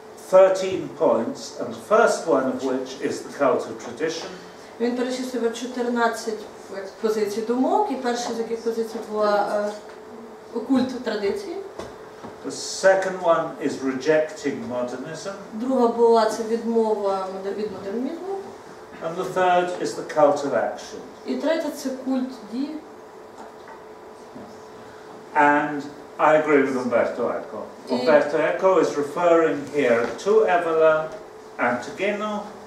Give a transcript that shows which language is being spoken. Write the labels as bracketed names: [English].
[English] 13 points, and the first one of which is the cult of tradition. [Ukrainian] Він перечислював 14 позицій думок, і перша з яких позицій була культ традиції. [English] The second one is rejecting modernism. [Ukrainian] Друга була це відмова від модернізму. [English] And the third is the cult of action. [Ukrainian] І третя це культ дії. [English] And I agree with Umberto Eco. Umberto Eco is referring here to Evola and to Genon.